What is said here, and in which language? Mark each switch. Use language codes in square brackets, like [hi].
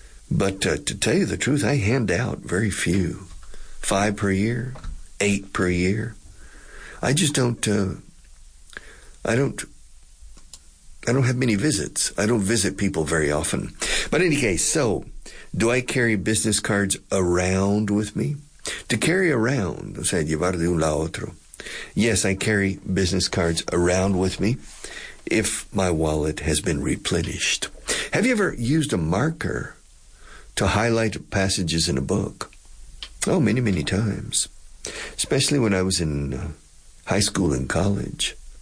[en] But to tell you the truth, I hand out very few. 5 per year, 8 per year. I just don't, I don't have many visits. I don't visit people very often. But in any case, so, do I carry business cards around with me? To carry around, [es] o sea, llevar de un lado a otro. [en] Yes, I carry business cards around with me if my wallet has been replenished. Have you ever used a marker to highlight passages in a book? Oh, many, many times. Especially when I was in high school and college.